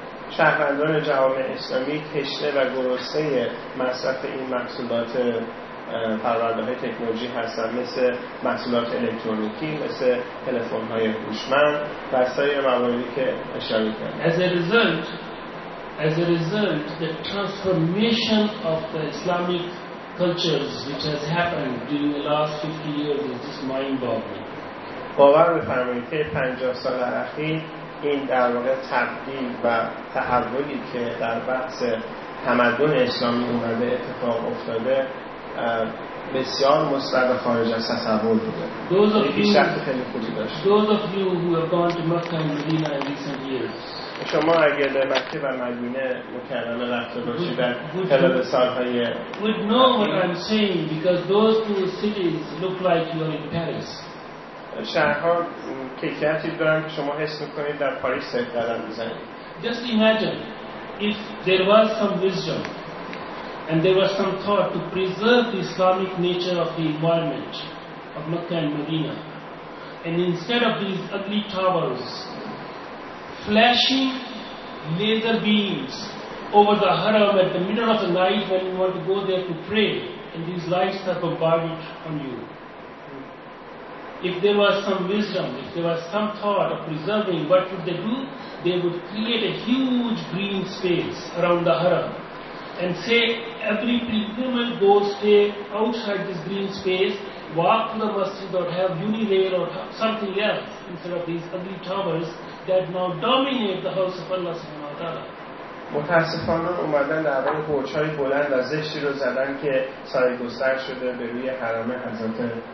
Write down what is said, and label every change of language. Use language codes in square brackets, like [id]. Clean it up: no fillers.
[fa] شهروندان جوامع اسلامی تشنه و گرسنه مصرف این محصولات فرآورده‌های تکنولوژی هستند، مثل محصولات الکترونیکی، مثل تلفن‌های هوشمند و سایر مواردی که اشاره کردم. [en] As a result, the transformation of the Islamic cultures which has happened during the last 50 years is just mind-boggling. [fa] باور بفرمایید که 50 سال اخیر این در واقع تبدیل و تحولی که در بحث تمدن اسلامی اومده اتفاق افتاده بسیار مثبت خارج از تصور بوده. [en] Those of you who have gone to Mecca and Medina in recent years. [fa] شما اگر به مکه و مدینه مکرمه رفته باشید خلال سال‌های [en] would know what I'm saying because those two cities look like you're in Paris. [fa] شهرها کیفیتی دارن که شما حس میکنید در پاریس سر قدم میزنید. [en] Just imagine if there was some wisdom and there was some thought to preserve the Islamic nature of the environment of Mecca and Medina, and instead of these ugly towers flashing laser beams over the haram at the middle of the night when you want to go there to pray and these lights are bombarded on you. If there was some wisdom, if there was some thought of preserving, what would they do? They would create a huge green space around the haram and say every pilgrimage goes stay outside this green space, walk to the masjid or have unirail or something else instead of these ugly towers that now dominate the house of Allah [ar] subhanahu wa ta'ala. [fa] متاسفانه اومدن در واقع برج‌های بلند و زشتی رو زدن که سایه گستر شده به روی حرم حضرت